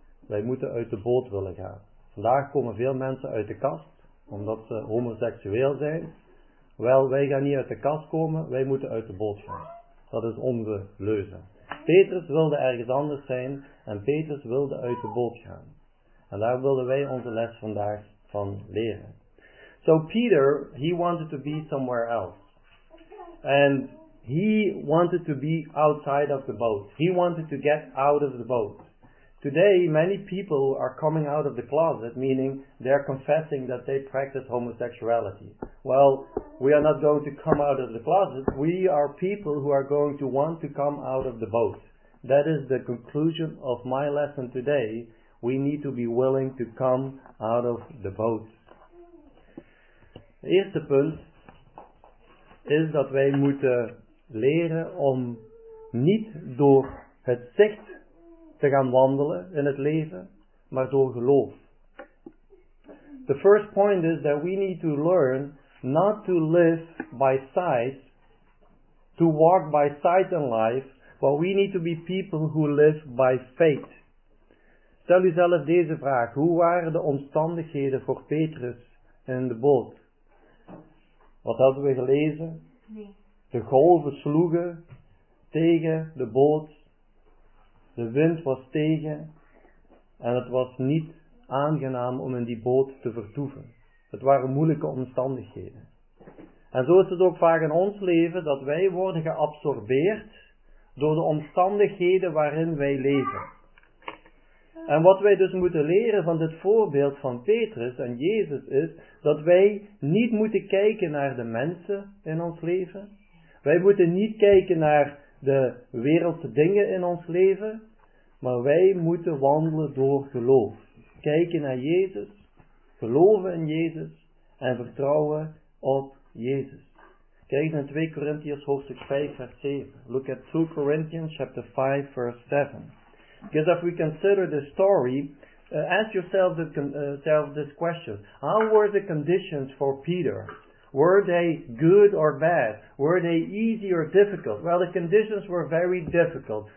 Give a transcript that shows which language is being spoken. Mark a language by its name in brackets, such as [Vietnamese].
[Dutch] Wij moeten uit de boot willen gaan. Vandaag komen veel mensen uit de kast, omdat ze homoseksueel zijn. Wel, wij gaan niet uit de kast komen, wij moeten uit de boot gaan. Dat is onze leuze. Petrus wilde ergens anders zijn en Petrus wilde uit de boot gaan. En daar wilden wij onze les vandaag van leren. [English] So Peter, he wanted to be somewhere else. And he wanted to be outside of the boat. He wanted to get out of the boat. Today, many people are coming out of the closet, meaning they are confessing that they practice homosexuality. Well, we are not going to come out of the closet. We are people who are going to want to come out of the boat. That is the conclusion of my lesson today. We need to be willing to come out of the boat. [Dutch] The eerste punt is dat wij moeten leren om niet door het zicht te gaan wandelen in het leven, maar door geloof. [English] The first point is that we need to learn not to live by sight, to walk by sight in life, but we need to be people who live by faith. [Dutch] Stel jezelf deze vraag, hoe waren de omstandigheden voor Petrus in de boot? Wat hadden we gelezen? Nee. De golven sloegen tegen de boot. De wind was tegen en het was niet aangenaam om in die boot te vertoeven. Het waren moeilijke omstandigheden. En zo is het ook vaak in ons leven dat wij worden geabsorbeerd door de omstandigheden waarin wij leven. En wat wij dus moeten leren van dit voorbeeld van Petrus en Jezus is dat wij niet moeten kijken naar de mensen in ons leven. Wij moeten niet kijken naar de wereldse dingen in ons leven, maar wij moeten wandelen door geloof. Kijken naar Jezus, geloven in Jezus en vertrouwen op Jezus. Kijk naar 2 Corinthians hoofdstuk 5 vers 7. [English] Look at 2 Corinthians chapter 5 verse 7. Because if we consider this story, ask yourself this question. How were the conditions for Peter? Were they good or bad? Were they easy or difficult? Well, the conditions were very difficult.